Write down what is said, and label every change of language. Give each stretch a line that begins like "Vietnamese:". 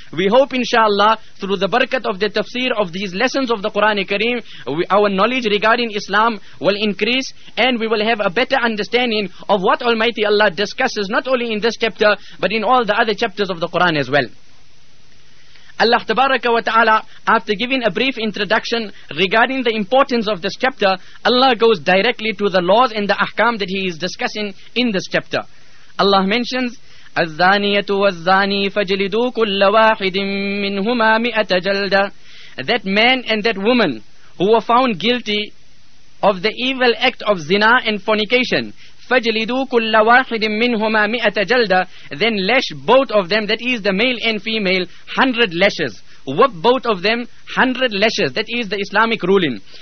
English: We hope inshallah through the barakat of the tafsir of these lessons of the Quran Kareem, our knowledge regarding Islam will increase and we will have a better understanding of what Almighty Allah discusses not only in this chapter but in all the other chapters of the Quran as well. Allah tabaraka wa ta'ala, after giving a brief introduction regarding the importance of this chapter, Allah goes directly to the laws and the ahkam that he is discussing in this chapter. Allah mentions
Arabic: الزانية والزاني فجلدوا كل واحد منهما 100 جلدة.
English: That man and that woman who were found guilty of the evil act of zina and fornication,
Arabic: فجلدوا كل واحد منهما 100 جلدة,
English: then lash both of them, that is the male and female, 100 lashes. Whip both of them 100 lashes. That is the Islamic ruling.